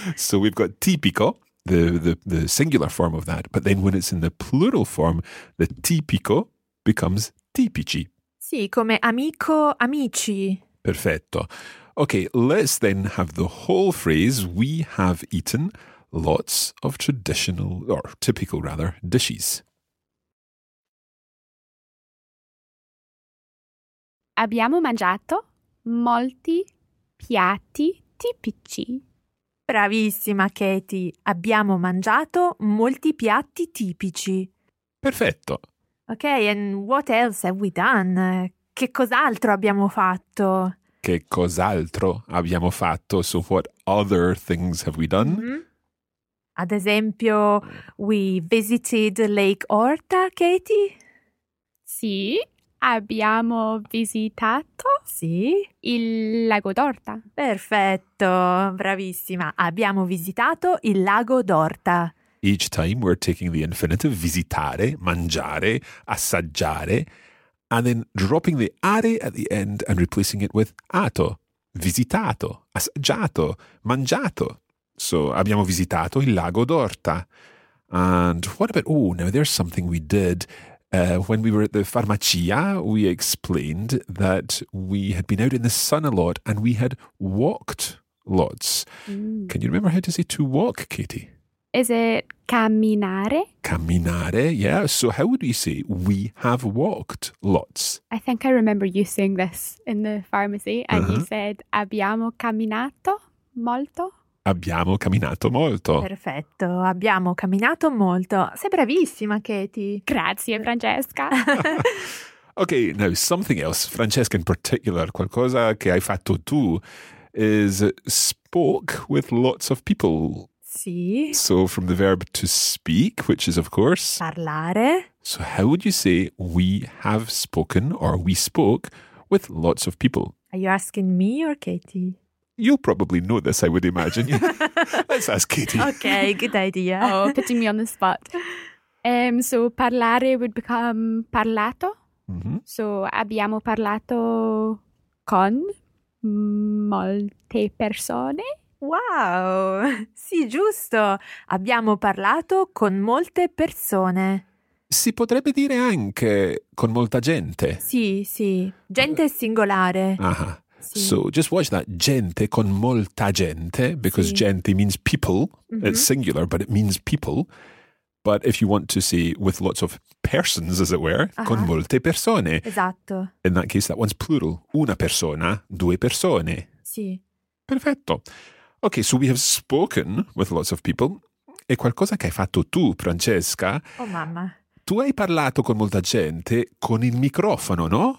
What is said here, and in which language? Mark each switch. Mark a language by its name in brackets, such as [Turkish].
[English] So we've got tipico, the singular form of that, but then when it's in the plural form, the tipico becomes tipici. [Italian] Sì, come amico, amici. Perfetto. [English] Okay, let's then have the whole phrase. We have eaten lots of traditional, or typical rather, dishes. [Italian] Abbiamo mangiato molti piatti tipici. Bravissima, Katie. Abbiamo mangiato molti piatti tipici. Perfetto. [English] Okay, and what else have we done? [Italian] Che cos'altro abbiamo fatto? Che cos'altro abbiamo fatto? [English] So what other things have we done? Mm-hmm. [Italian] Ad esempio, [English] we visited Lake Orta, Katie? [Italian] Sì, abbiamo visitato. Sì. Il lago d'Orta. Perfetto, bravissima. Abbiamo visitato il lago d'Orta. [English] Each time we're taking the infinitive, visitare, mangiare, assaggiare, and then dropping the are at the end and replacing it with ato, visitato, assaggiato, mangiato. [Italian] So abbiamo visitato il lago d'Orta. [English] And what about, oh, now there's something we did. When we were at the farmacia, we explained that we had been out in the sun a lot and we had walked lots. Mm. Can you remember how to say to walk, Katie? Is it camminare? [Italian] Camminare, yeah. [English] So how would you say we have walked lots? I think I remember you saying this in the pharmacy and uh-huh. You said [Italian] abbiamo camminato molto. Abbiamo camminato molto. Perfetto, abbiamo camminato molto. Sei bravissima, Katie. Grazie, Francesca. [English] Okay, now something else. Francesca in particular, [Italian] qualcosa che hai fatto tu [English] is spoke with lots of people. [Italian] Sì. [English] So from the verb to speak, which is of course [Italian] parlare. [English] So how would you say we have spoken or we spoke with lots of people? Are you asking me or Katie? You'll probably know this, I would imagine. Let's ask Katie. Okay, good idea. Oh, putting me on the spot. So parlare would become parlato. Mm-hmm. [Italian] So abbiamo parlato con molte persone? Wow! Sì, giusto! Abbiamo parlato con molte persone. Si potrebbe dire anche con molta gente. Sì, sì. Gente singolare. [English] Uh-huh. Sì. So, just watch that. [Italian] Gente con molta gente, because sì. [English] Gente means people. Mm-hmm. It's singular, but it means people. But if you want to say with lots of persons, as it were, uh-huh. [Italian] Con molte persone. Esatto. [English] In that case, that one's plural. [Italian] Una persona, due persone. Sì. Perfetto. [English] Okay, so we have spoken with lots of people. [Italian] E qualcosa che hai fatto tu, Francesca? Oh, mamma. Tu hai parlato con molta gente con il microfono, no?